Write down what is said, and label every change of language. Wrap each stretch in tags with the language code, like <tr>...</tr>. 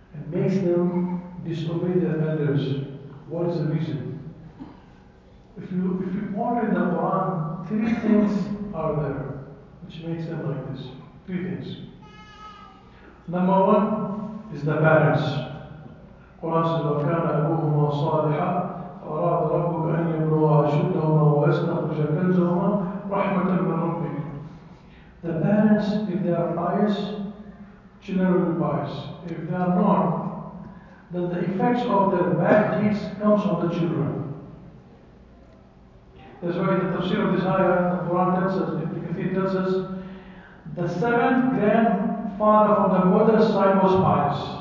<en>makes them disobey their elders. What is the reason? If you ponder in the Quran, three things are there which makes them like this. Three things. Number one is the parents.</en> <ar>Quran says, وَكَانَ أَبُوهُمَا صَالِحًا فَأَرَادَ رَبُّكَ أَنْ يَبْلُغَا أَشُدَّهُمَا وَيَسْتَخْرِجَا كَنْزَهُمَا رَحْمَةً مِنْ رَبِّكَ.</ar> <en>The parents, if they are pious, children will be pious. If they are not, then the effects of their bad deeds comes on the children. That's why the tafsir of this ayah, the Quran tells us, the Kathir tells us, the seventh grandfather of the mother's side was pious.</en>